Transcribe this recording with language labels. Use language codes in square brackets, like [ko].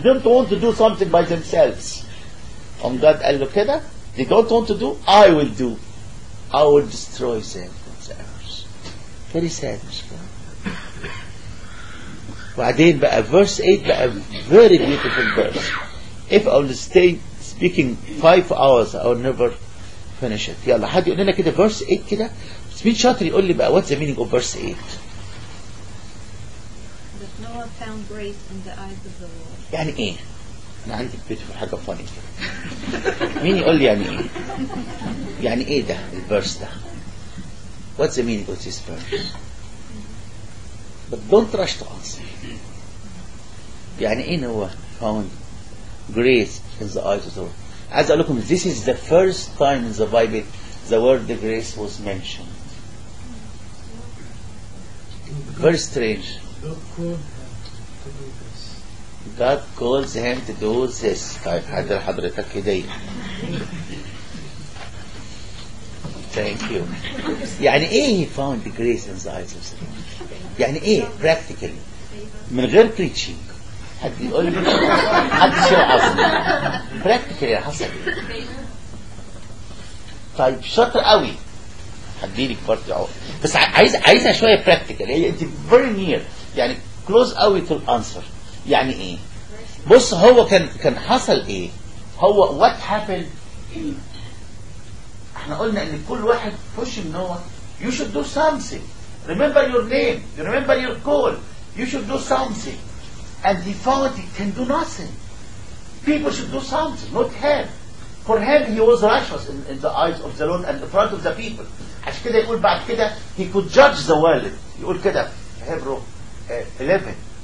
[en] They don't want to do something by themselves. And God [ar] قال له كده, [en] they don't want to do, I will do. I will destroy them from the earth. Very sad, [ar] مش كده؟ بعدين بقى [en] verse 8 بقى very beautiful verse. If I will stay speaking 5 hours I will never finish it. [ar] يلا حد يقول لنا كده verse 8 كده بس مين شاطر يقول لي بقى [en] what's the meaning of verse 8. That Noah found grace in the eyes of the Lord. [ar] يعني ايه؟ انا عندي beautiful حاجة funny كده. مين يقول لي يعني ايه؟ يعني ايه ده الverse ده؟ [en] What's the meaning of this verse? But don't rush to answer. [ar] يعني ايه [en] Noah found grace in the eyes of the Lord. [ar] عايز اقول لكم [en] this is the first time in the Bible the word the grace was mentioned. Very strange. God calls him to do this. [ar] طيب حضر حضرتك كده. [en] Thank you. [ar] يعني ايه [en] he found the grace in the eyes of the Lord. [ar] يعني ايه practically من غير preaching حد يقول لي حد شو عظم practically حصل طيب شاطر قوي حديلك برضه عقل بس عايزها شويه practical هي انت [en] very near [ar] يعني close قوي to the answer. يعني ايه بص هو كان حصل ايه هو [en] what happened [ar] احنا قلنا ان كل واحد [en] push him Noah you should do something Remember your name. Remember your call. You should do something. And the authority can do nothing. People should do something, not him. For him, he was righteous in the eyes of the Lord and in front of the people. [ar] As kida yqul ba'd kida, [en] he could judge the world. [ar] Yqul kida, Hebrew 11.